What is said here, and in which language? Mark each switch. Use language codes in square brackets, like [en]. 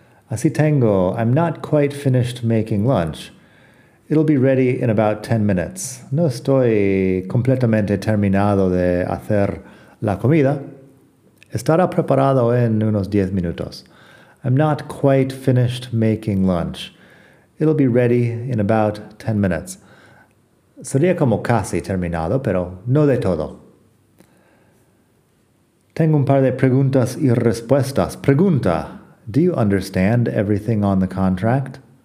[es] Así tengo, [en] I'm not quite finished making lunch. It'll be ready in about 10 minutes. [es] No estoy completamente terminado de hacer la comida. Estará preparado en unos 10 minutos. [en] I'm not quite finished making lunch. It'll be ready in about 10 minutes. [es] Sería como casi terminado, pero no de todo. Tengo un par de preguntas y respuestas. Pregunta, [en] do you understand everything on the contract?